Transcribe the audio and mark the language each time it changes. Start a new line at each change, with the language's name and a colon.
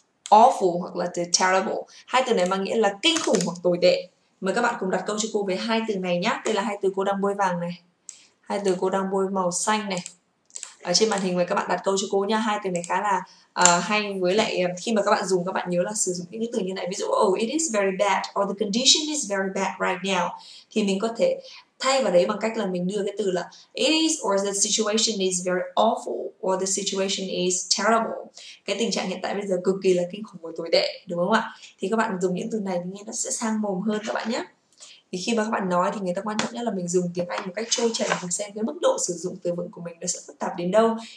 Vietnamese: Awful hoặc là the terrible. Hai từ này mang nghĩa là kinh khủng hoặc tồi tệ. Mời các bạn cùng đặt câu cho cô về hai từ này nhé. Đây là hai từ cô đang bôi vàng này. Hai từ cô đang bôi màu xanh này. Ở trên màn hình mời các bạn đặt câu cho cô nhé. Hai từ này khá là hay. Với lại khi mà các bạn dùng, các bạn nhớ là sử dụng những từ như này. Ví dụ,
English: oh, it is very bad. Or the condition is very bad right now.
Vietnamese: Thì mình có thể thay vào đấy bằng cách là mình đưa cái từ là
English: it is or the situation is very awful or the situation is terrible.
Vietnamese: Cái tình trạng hiện tại bây giờ cực kỳ là kinh khủng và tồi tệ, đúng không ạ? Thì các bạn dùng những từ này thì nghe nó sẽ sang mồm hơn các bạn nhé. Thì khi mà các bạn nói thì người ta quan trọng nhất là mình dùng tiếng Anh một cách trôi chảy và xem cái mức độ sử dụng từ vựng của mình nó sẽ phức tạp đến đâu.